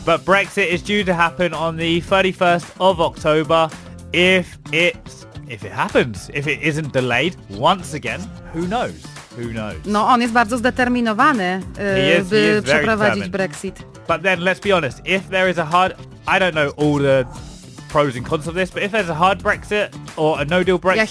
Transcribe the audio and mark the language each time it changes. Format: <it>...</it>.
<en>But Brexit is due to happen on the 31st of October if it happens. If it isn't delayed once again, who knows? Who knows?</en> <pl>No, on jest bardzo zdeterminowany, przeprowadzić Brexit.</pl> <en>But then, let's be honest, if there is a hard... I don't know all the... pros and cons of this, but if there's a hard Brexit or a no-deal Brexit...</en>